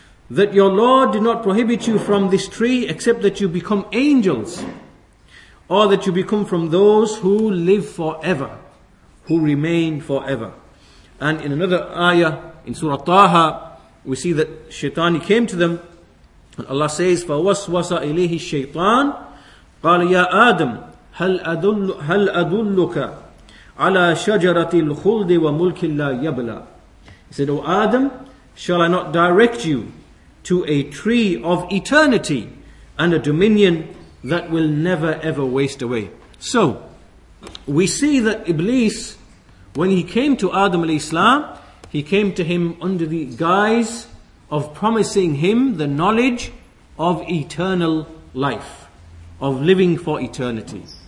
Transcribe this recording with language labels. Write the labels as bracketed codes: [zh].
[en] That your Lord did not prohibit you from this tree except that you become angels, or that you become from those who live forever, who remain forever. And in another ayah, in Surah Taha, we see that Shaitani came to them. Allah says, [ar] فَوَسْوَسَ إِلَيْهِ الشَّيْطَانِ قال يا آدم هل أدلك على شجرة الخلد وملك لا يبلى. [en] He said, O Adam, shall I not direct you to a tree of eternity and a dominion that will never ever waste away? So, we see that Iblis, when he came to Adam al-Islam, he came to him under the guise of promising him the knowledge of eternal life, of living for eternity.